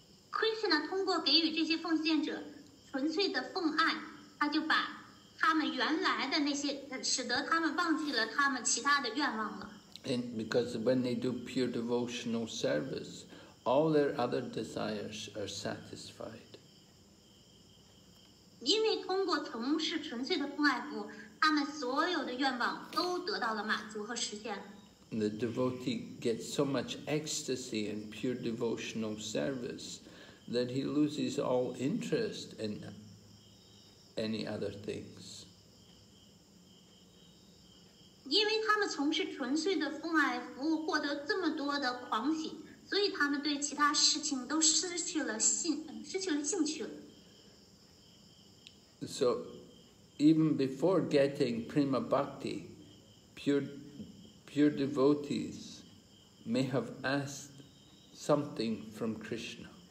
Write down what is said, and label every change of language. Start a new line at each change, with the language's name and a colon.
Chinese: Krishna 通过给予这些奉献者纯粹的奉爱，他就把他们原来的那些，使得他们忘记了他们其他的愿望了。
English: And because when they do pure devotional service, all their other desires are satisfied.
Chinese: 因为通过从事纯粹的奉爱服，他们所有的愿望都得到了满足和实现。
English: The devotee gets so much ecstasy in pure devotional service that he loses all interest in any other things.
Chinese: 因为他们从事纯粹的奉爱服务，获得这么多的狂喜，所以他们对其他事情都失去了兴趣。
English: So, even before getting prima bhakti, pure devotees may have asked something from Krishna.